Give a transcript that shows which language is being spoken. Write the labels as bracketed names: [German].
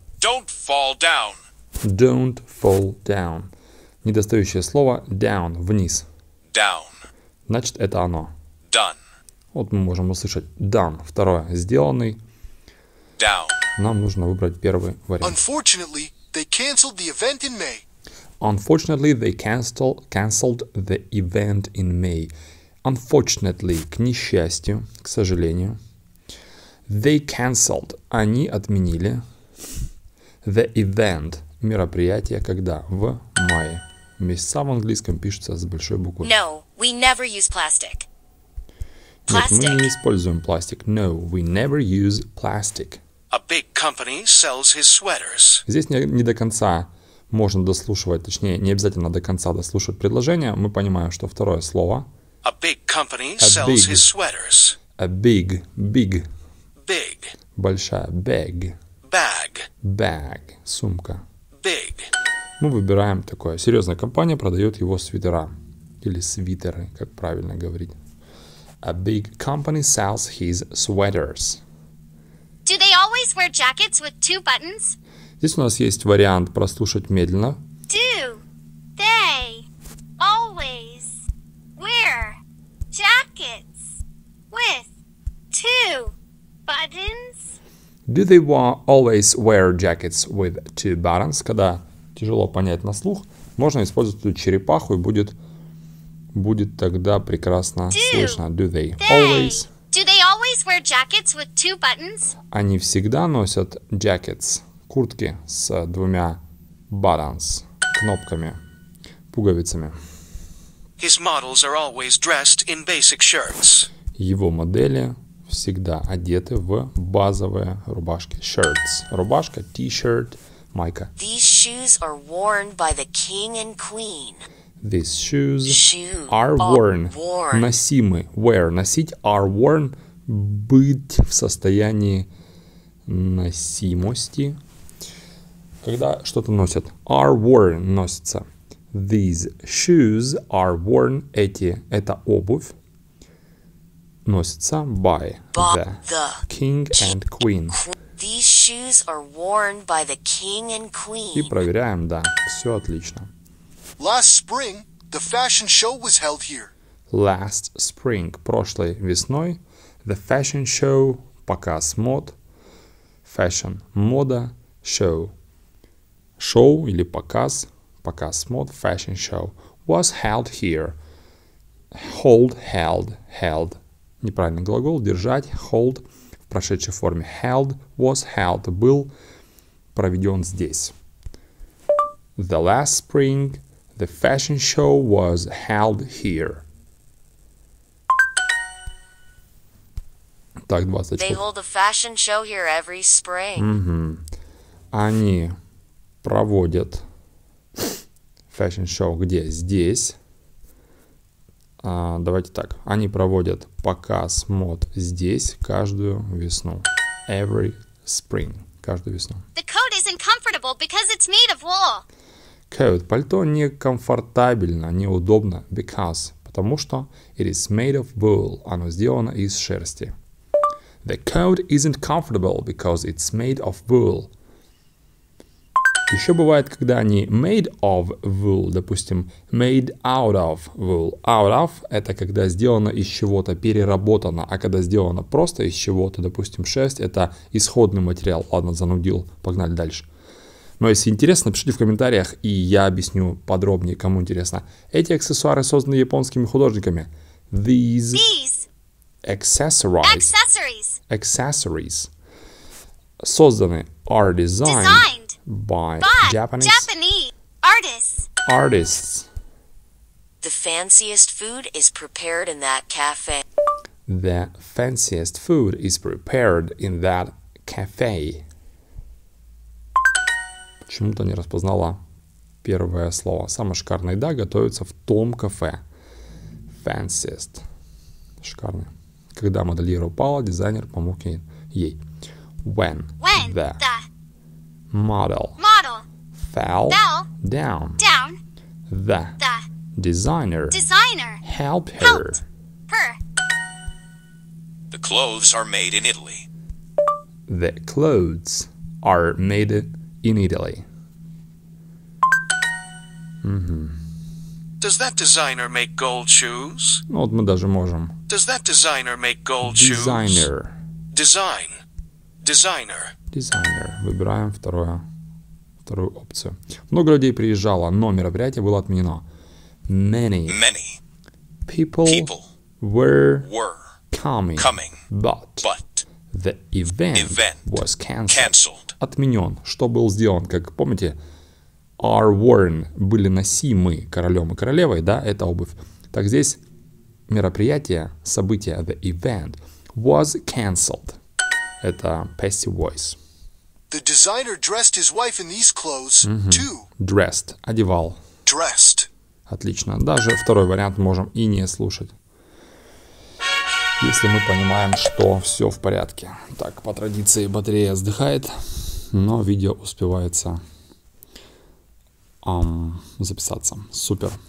[English] Don't fall down. Don't fall down. [Russian] Недостающее слово down, вниз. [English] Down. [Russian] Значит, это оно. [English] Done. [Russian] Вот мы можем услышать done. Второе, сделанный. [English] Down. [Russian] Нам нужно выбрать первый вариант. [English] Unfortunately, they canceled the event in May. Unfortunately, they canceled the event in May. [Russian] Unfortunately, к несчастью, к сожалению. [English] They canceled. [Russian] Они отменили. [English] The event. [Russian] Мероприятие когда? В мае. Месяца в английском пишется с большой буквы. [English] No, we never use plastic. [Russian] Нет, мы не используем пластик. [English] No, we never use plastic. A big company sells his sweaters. [Russian] Здесь не до конца можно дослушивать, точнее, не обязательно до конца дослушивать предложение. Мы понимаем, что второе слово. [English] A big company sells his sweaters. A big, big. Big. [Russian] Большая. Big. [English] Bag. Bag. Сумка. Big. [Russian] Мы выбираем такое. Серьезная компания продает его свитера. Или свитеры, как правильно говорить. [English] A big company sells his sweaters. Do they always wear jackets with two buttons? [Russian] Здесь у нас есть вариант прослушать медленно. [English] Do they always wear jackets with two buttons? Do they always wear jackets with two buttons? [Russian] Когда тяжело понять на слух, можно использовать эту черепаху и будет тогда прекрасно слышно. [English] Do they always? Do they always wear jackets with two buttons? [Russian] Они всегда носят jackets, куртки с двумя buttons, кнопками, пуговицами. [English] His models are always dressed in basic shirts. [Russian] Его модели всегда одеты в базовые рубашки. [English] Shirts. [Russian] Рубашка, t-shirt, майка. [English] These shoes are worn by the king and queen. These shoes are worn. [Russian] Носимы. [English] Wear. Носить. Are worn. [Russian] Быть в состоянии носимости. Когда что-то носят. [English] Are worn. [Russian] Носится. [English] These shoes are worn. [Russian] Эти. Это обувь. Носится. [English] By the king and queen. These shoes are worn by the king and queen. [Russian] И проверяем. Да. Все отлично. [English] Last spring. The fashion show was held here. Last spring, [Russian] прошлой весной, [English] the fashion show, [Russian] показ мод, [English] fashion, мода, show, show [Russian] или показ, показ мод, [English] fashion show, was held here. Hold, held, held. [Russian] Неправильный глагол, держать, hold, в прошедшей форме, held, [English] was held, [Russian] был проведен здесь. [English] The last spring, the fashion show was held here. [Russian] Так, 20 [English] they hold a fashion show here every spring. [Russian] Они проводят [English] fashion show [Russian] где? Здесь. Давайте так. Они проводят показ мод здесь каждую весну. [English] Every spring. [Russian] Каждую весну. [English] The coat isn't comfortable because it's made of wool. Coat. [Russian] Пальто некомфортабельно, неудобно, [English] because, [Russian] потому что [English] it is made of wool, [Russian] оно сделано из шерсти. [English] The coat isn't comfortable because it's made of wool. [Russian] Еще бывает, когда они [English] made of wool, [Russian] допустим, [English] made out of wool. [Russian] Out of – это когда сделано из чего-то, переработано, а когда сделано просто из чего-то, допустим, шерсть – это исходный материал. Ладно, занудил, погнали дальше. Но если интересно, пишите в комментариях, и я объясню подробнее, кому интересно. Эти аксессуары созданы японскими художниками. [English] These accessories. Accessories. Accessories. Созданы. Are designed. Designed. By Japanese. Japanese. Artists. Artists. The fanciest food is prepared in that cafe. The fanciest food is prepared in that cafe. [Russian] Почему-то не распознала первое слово. Самое шикарное еда готовится в том кафе. fanciest. Шикарно. Когда модельер упала, дизайнер помог ей. [English] When the model fell down. The designer helped her. The clothes are made in Italy. The clothes are made in Italy. Does that designer make gold shoes? [Russian] Ну, вот мы даже можем. [English] Does that designer make gold shoes? Designer. Design. Designer. [Russian] Designer. Выбираем вторую опцию. Много людей приезжало, но мероприятие было отменено. [English] Many. People were coming. But the event was canceled. [Russian] Отменен. Что был сделан? Как помните, [English] are worn, [Russian] были носимы королем и королевой, да, это обувь. Так здесь мероприятие, событие, [English] the event, was cancelled. [Russian] Это [English] passive voice. The designer dressed his wife in these clothes too. Dressed, одевал. Dressed. [Russian] Отлично, даже второй вариант можем и не слушать. Если мы понимаем, что все в порядке. Так, по традиции батарея сдыхает, но видео успевается записаться. Супер.